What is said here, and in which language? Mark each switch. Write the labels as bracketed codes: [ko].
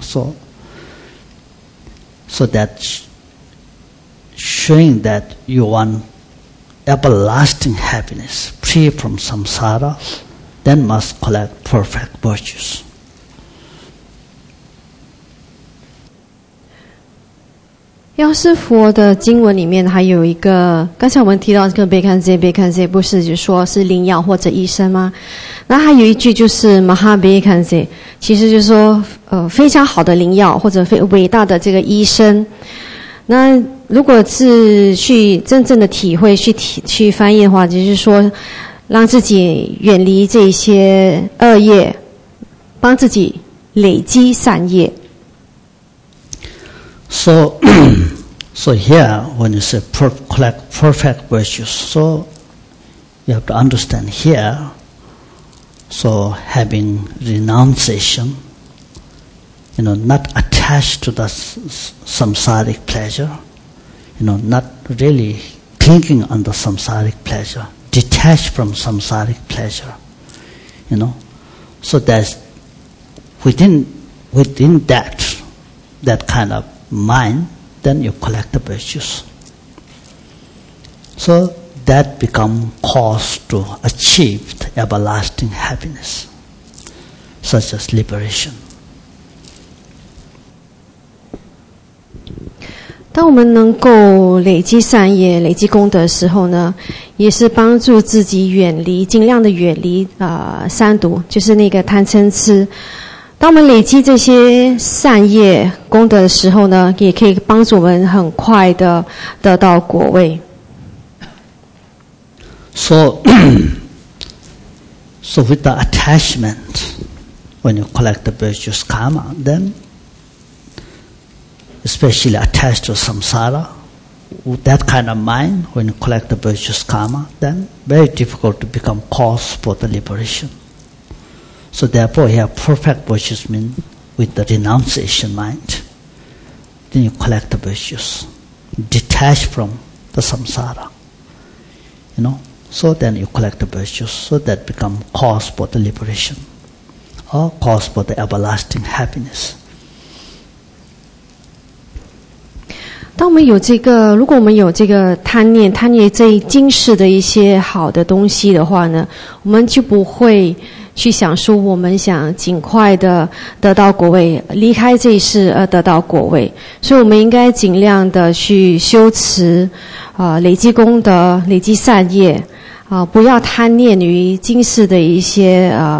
[en] So that's showing that you want everlasting happiness, free from samsara, then must collect perfect virtues. [zh] 药师佛的经文里面还有一个，刚才我们提到这个贝堪杰，贝堪杰不是就是说是灵药或者医生吗？那还有一句就是马哈贝堪杰，其实就是说非常好的灵药或者非伟大的这个医生。那如果是去真正的体会去翻译的话，就是说让自己远离这些恶业，帮自己累积善业。 [en] So here, when you say collect perfect virtues, so you have to understand here, so having renunciation, you know, not attached to the samsaric pleasure, you know, not really clinging on the samsaric pleasure, detached from samsaric pleasure, you know, so that's within that kind of mind, then you collect the virtues. So that become cause to achieve the everlasting happiness, such as liberation. [zh] 当我们能够累积善业、累积功德的时候呢，也是帮助自己远离，尽量的远离三毒，就是那个贪嗔痴。当我们累积这些善业功德的时候呢，也可以帮助我们很快的得到果位。 [en] So with the attachment, when you collect the virtuous karma, then especially attached to samsara, with that kind of mind, when you collect the virtuous karma, then very difficult to become cause for the liberation. So therefore, here perfect virtues mean with the renunciation mind. Then you collect the virtues, detach from the samsara. You know, so then you collect the virtues, so that become cause for the liberation, or cause for the everlasting happiness. [zh] 当我们有这个，如果我们有这个贪念，贪念这今世的一些好的东西的话呢，我们就不会去想说我们想尽快的得到果位，离开这一世而得到果位，所以我们应该尽量的去修持累积功德，累积善业不要贪念于今世的一些